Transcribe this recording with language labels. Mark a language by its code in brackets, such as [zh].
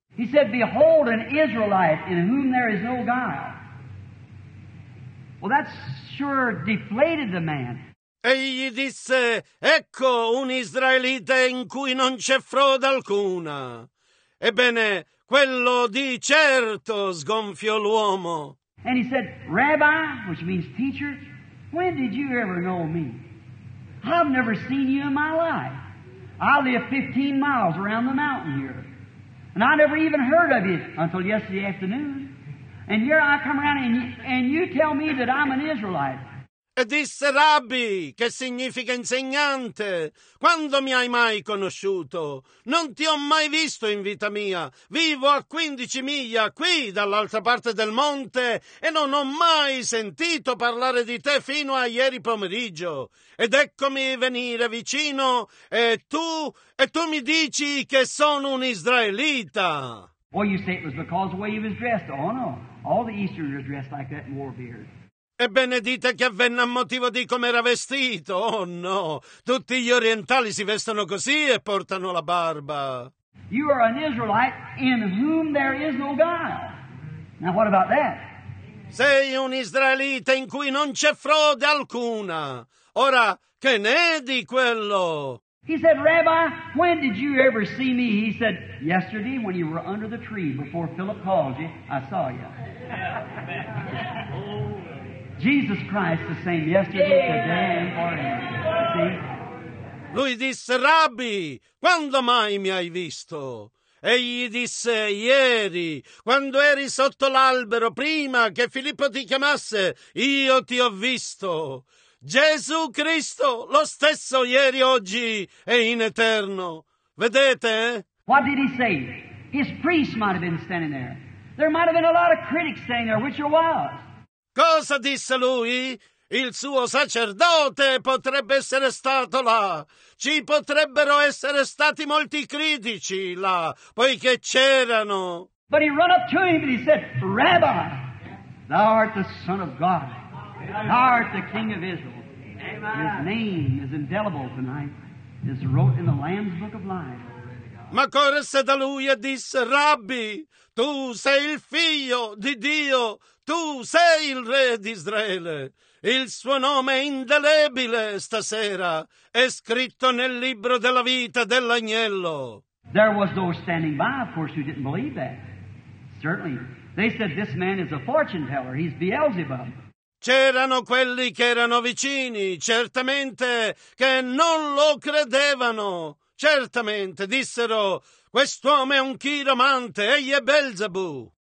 [en] He said, behold an Israelite in whom there is no guile. Well, that sure deflated the man. [it] Egli disse: ecco un israelite in cui non c'è frode alcuna. Ebbene, quello di certo sgonfiò l'uomo. [en] And he said, Rabbi, which means teacher, when did you ever know me? I've never seen you in my life. I live 15 miles around the mountain here. And I never even heard of you until yesterday afternoon. And here I come around and you tell me that I'm an Israelite. [it] E disse, Rabbi, che significa insegnante? Quando mi hai mai conosciuto? Non ti ho mai visto in vita mia. Vivo a 15 miglia qui, dall'altra parte del monte, e non ho mai sentito parlare di te fino a ieri pomeriggio. Ed eccomi venire vicino, e tu mi dici che sono un israelita. [en] Or you say it was because of the way he was dressed. Oh no, all the Easterners are dressed like that and wore beards. [it] Ebbene dite che avvenne a motivo di come era vestito. Oh no, tutti gli orientali si vestono così e portano la barba. [en] You are an Israelite in whom there is no God. Now what about that? [it] Sei un israelita in cui non c'è frode alcuna. Ora, che ne è di quello? [en] He said, Rabbi, when did you ever see me? He said, yesterday when you were under the tree before Philip called you, I saw you. Jesus Christ the same yesterday, today and forever. See? [it] Lui disse, Rabbi, quando mai mi hai visto? Egli disse, ieri, quando eri sotto l'albero, prima che Filippo ti chiamasse, io ti ho visto. Gesù Cristo, lo stesso ieri, oggi e in eterno. Vedete? [en] What did he say? His priest might have been standing there. There might have been a lot of critics standing there, which there was. [it] Cosa disse lui? Il suo sacerdote potrebbe essere stato là. Ci potrebbero essere stati molti critici là, poiché c'erano. [en] But he ran up to him and he said, Rabbi, thou art the Son of God. Thou art the King of Israel. His name is indelible tonight. It's wrote in the Lamb's Book of Life. [it] Ma corse da lui e disse, Rabbi, tu sei il figlio di Dio, tu sei il re di Israele. Il suo nome è indelebile stasera, è scritto nel libro della vita dell'agnello. [en] There was those standing by, of course, who didn't believe that. Certainly. They said, this man is a fortune teller, he's Beelzebub. [it] C'erano quelli che erano vicini, certamente, che non lo credevano. Certamente, dissero, quest'uomo è un chiromante, egli è Belzebù.